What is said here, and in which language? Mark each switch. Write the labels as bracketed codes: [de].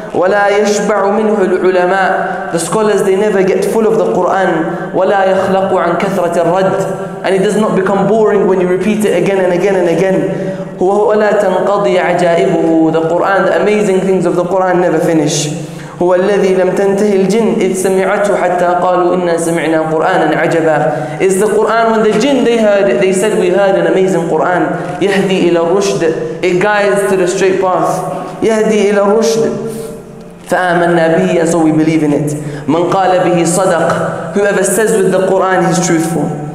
[ar] وَلَا يَشْبَعُ مِنْهُ الْعُلَمَاءُ. [en] The scholars, they never get full of the Quran. [ar] وَلَا يَخْلَقُ عَنْ كَثْرَةِ الرَّدِّ. [en] And it does not become boring when you repeat it again and again and again. [ar] وَلَا تَنْقَضِي عَجَائِبُهُ. [en] The Quran, the amazing things of the Quran never finish. [ar] هو الذي لم تنتهي الجن إذ سمعته حتى قالوا إنا سمعنا قرآنا عجبا. [en] Is the Quran, when the jinn they heard it, they said we heard an amazing Quran. [ar] يهدي إلى الرشد. [en] It guides to the straight path. [ar] يهدي إلى الرشد. فآمنا به. [en] And so we believe in it. [ar] من قال به صدق. [en] Whoever says with the Quran, he's truthful.